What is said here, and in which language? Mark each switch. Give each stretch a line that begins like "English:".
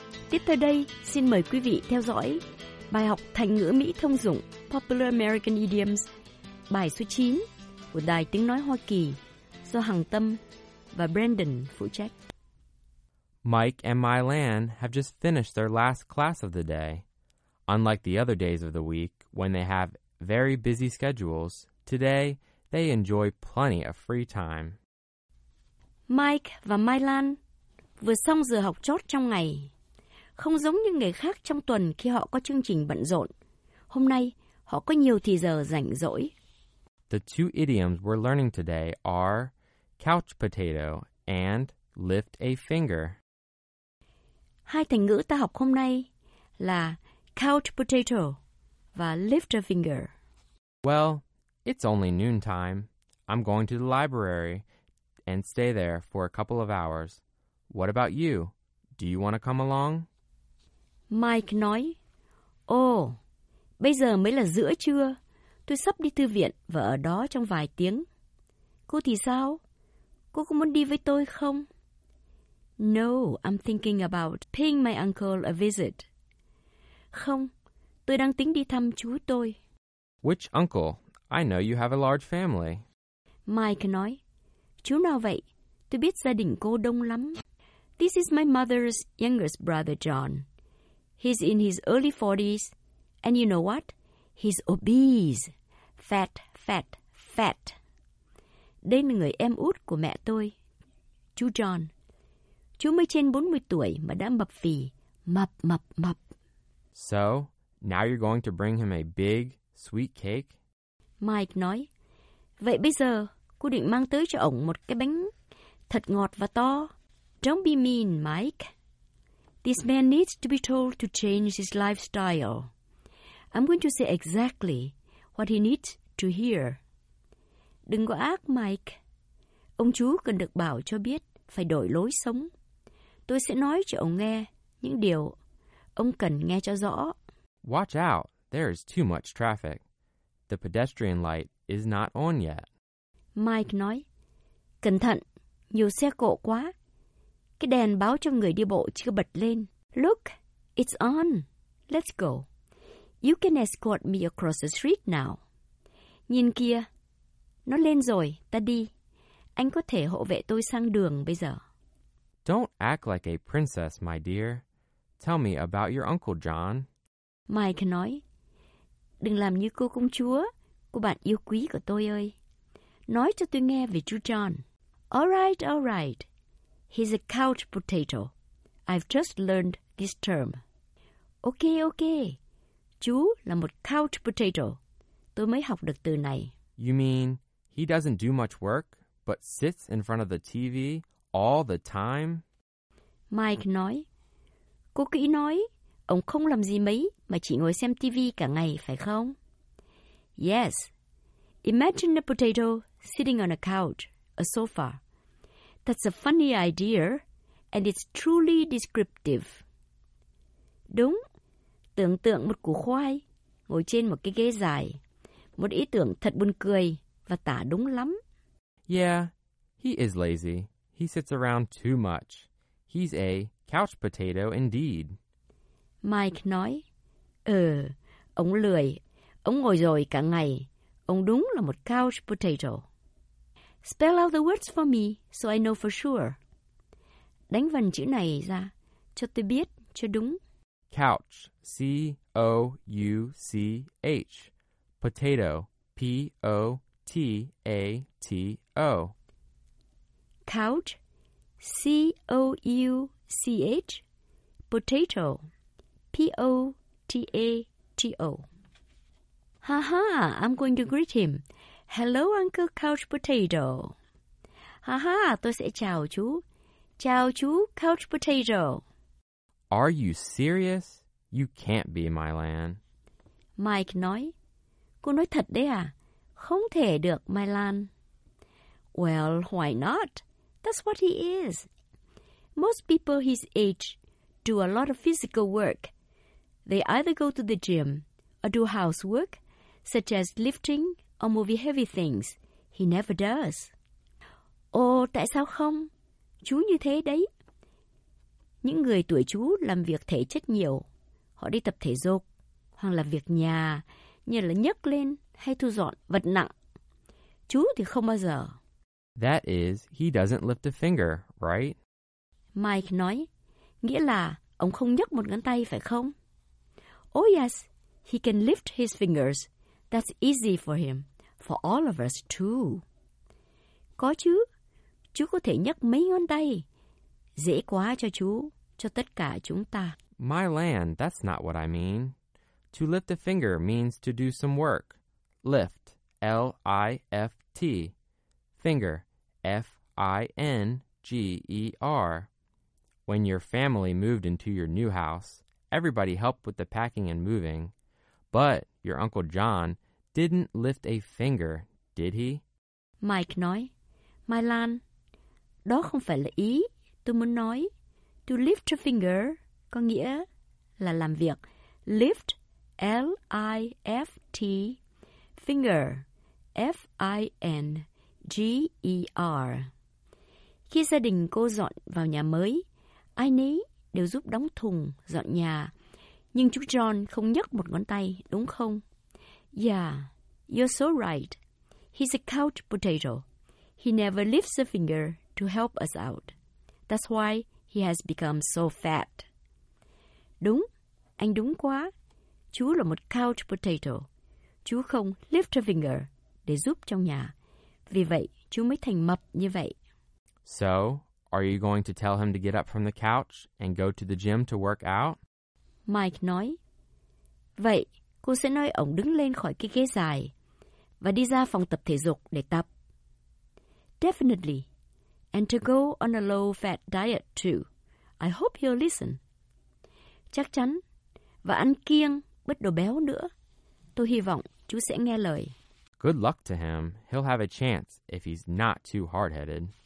Vietnamese: Tiếp theo đây, xin mời quý vị theo dõi bài học thành ngữ Mỹ thông dụng Popular American Idioms, bài số 9 của Đài Tiếng Nói Hoa Kỳ do Hằng Tâm và Brandon phụ trách.
English: Mike and Mylan have just finished their last class of the day. Unlike the other days of the week, when they have very busy schedules, today they enjoy plenty of free time.
Vietnamese: Mike và Mylan vừa xong giờ học chót trong ngày. Không giống như ngày khác trong tuần khi họ có chương trình bận rộn, hôm nay họ có nhiều thì giờ rảnh rỗi.
English: The two idioms we're learning today are couch potato and lift a finger.
Vietnamese: Hai thành ngữ ta học hôm nay là couch potato và lift a finger.
English: Well, it's only noon time. I'm going to the library and stay there for a couple of hours. What about you? Do you want to come along?
Vietnamese: Mike nói, bây giờ mới là giữa trưa. Tôi sắp đi thư viện và ở đó trong vài tiếng. Cô thì sao? Cô có muốn đi với tôi không?
English: No, I'm thinking about paying my uncle a visit.
Vietnamese: Không, tôi đang tính đi thăm chú tôi.
English: Which uncle? I know you have a large family.
Vietnamese: Mike nói, chú nào vậy? Tôi biết gia đình cô đông lắm.
English: This is my mother's youngest brother, John. He's in his early 40s, and you know what? He's obese. Fat, fat, fat.
Vietnamese: Đây là người em út của mẹ tôi, chú John. Chú mới trên 40 tuổi mà đã mập phì, mập, mập, mập.
English: So, now you're going to bring him a big, sweet cake?
Vietnamese: Mike nói, vậy bây giờ, cô định mang tới cho ổng một cái bánh thật ngọt và to.
English: Don't be mean, Mike. This man needs to be told to change his lifestyle. I'm going to say exactly what he needs to hear.
Vietnamese: Đừng có ác, Mike. Ông chú cần được bảo cho biết phải đổi lối sống. Tôi sẽ nói cho ông nghe những điều ông cần nghe cho rõ.
English: Watch out, there is too much traffic. The pedestrian light is not on yet.
Vietnamese: Mike nói, cẩn thận, nhiều xe cộ quá. Cái đèn báo cho người đi bộ chưa bật lên.
English: Look, it's on. Let's go. You can escort me across the street now.
Vietnamese: Nhìn kia, nó lên rồi, ta đi. Anh có thể hộ vệ tôi sang đường bây giờ.
English: Don't act like a princess, my dear. Tell me about your uncle John.
Vietnamese: Mike nói, đừng làm như cô công chúa, cô bạn yêu quý của tôi ơi. Nói cho tôi nghe về chú John.
English: Alright, alright. He's a couch potato. I've just learned this term.
Vietnamese: Okay, okay. Chú là một couch potato. Tôi mới học được từ này.
English: You mean he doesn't do much work, but sits in front of the TV all the time?
Vietnamese: Mike nói, cô kỹ nói, ông không làm gì mấy mà chỉ ngồi xem TV cả ngày, phải không?
English: Yes. Imagine a potato sitting on a couch, a sofa. That's a funny idea, and it's truly descriptive.
Vietnamese: Đúng. Tưởng tượng một củ khoai ngồi trên một cái ghế dài. Một ý tưởng thật buồn cười và tả đúng lắm.
English: Yeah, he is lazy. He sits around too much. He's a couch potato indeed.
Vietnamese: Mike nói, ông lười. Ông ngồi rồi cả ngày. Ông đúng là một couch potato.
English: Spell out the words for me so I know for sure.
Vietnamese: Đánh vần chữ này ra cho tôi biết cho đúng.
English: Couch, couch. Potato, potato. Couch, couch. Potato, potato. Ha ha, I'm going to greet him. Hello, Uncle Couch Potato.
Vietnamese: Ha ha, tôi sẽ chào chú. Chào chú, Couch Potato.
English: Are you serious? You can't be, Mylan.
Vietnamese: Mike nói. Cô nói thật đấy à? Không thể được, Mylan.
English: Well, why not? That's what he is. Most people his age do a lot of physical work. They either go to the gym or do housework, such as lifting or moving heavy things. He never does.
Vietnamese: Tại sao không? Chú như thế đấy. Những người tuổi chú làm việc thể chất nhiều. Họ đi tập thể dục, hoặc là việc nhà, như là nhấc lên hay thu dọn vật nặng. Chú thì không bao giờ.
English: That is, he doesn't lift a finger, right?
Vietnamese: Mike nói, nghĩa là ông không nhấc một ngón tay phải không?
English: Oh yes, he can lift his fingers. That's easy for him, for all of us too.
Vietnamese: Có chứ, chú có thể nhấc mấy ngón tay. Dễ quá cho chú, cho tất cả chúng ta.
English: My land, that's not what I mean. To lift a finger means to do some work. Lift, L-I-F-T. Finger, F-I-N-G-E-R. When your family moved into your new house, everybody helped with the packing and moving. But your Uncle John didn't lift a finger, did he?
Vietnamese: Mike nói, My Lan, đó không phải là ý tôi muốn nói. To lift a finger có nghĩa là làm việc. Lift, L-I-F-T, finger, F-I-N-G-E-R. Khi gia đình cô dọn vào nhà mới, ai nấy đều giúp đóng thùng, dọn nhà. Nhưng chú John không nhấc một ngón tay, đúng không?
English: Yeah, you're so right. He's a couch potato. He never lifts a finger to help us out. That's why he has become so fat.
Vietnamese: Đúng, anh đúng quá. Chú là một couch potato. Chú không lift a finger để giúp trong nhà. Vì vậy, chú mới thành mập như vậy.
English: So, are you going to tell him to get up from the couch and go to the gym to work out?
Vietnamese: Mike nói, Vậy, cô sẽ nói ông đứng lên khỏi cái ghế dài và đi ra phòng tập thể dục để tập.
English: Definitely. And to go on a low-fat diet too. I hope he'll listen.
Vietnamese: Chắc chắn. Và ăn kiêng, bớt đồ béo nữa. Tôi hy vọng chú sẽ nghe lời.
English: Good luck to him. He'll have a chance if he's not too hard-headed.